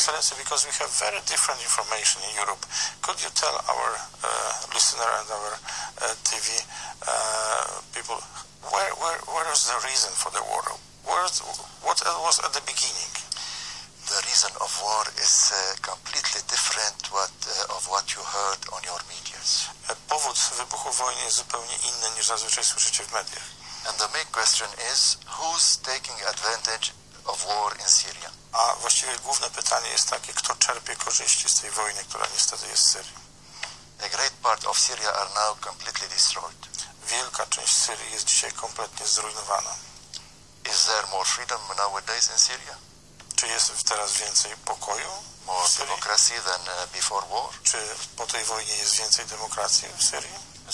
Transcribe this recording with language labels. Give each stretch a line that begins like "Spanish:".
English: Excellency, because we have very different information in Europe, could you tell our listener and our TV people where is the reason for the war? What was at the beginning? The reason of war is completely different of what you heard on your medias.
Polish: Powód wybuchu wojny jest zupełnie inny niż zazwyczaj słyszycie w mediach.
English: And the main question is who's taking advantage of war in Syria?
Polish: A właściwie główne pytanie jest takie, kto czerpie korzyści z tej wojny, która niestety jest w Syrii.
English: A great part of Syria are now completely destroyed.
Polish: Wielka część Syrii jest dzisiaj kompletnie zrujnowana.
English: Is there more freedom nowadays in Syria?
Polish: Czy jest teraz więcej pokoju?
English: More democracy than before war?
Polish: Czy po tej wojnie jest więcej demokracji w Syrii?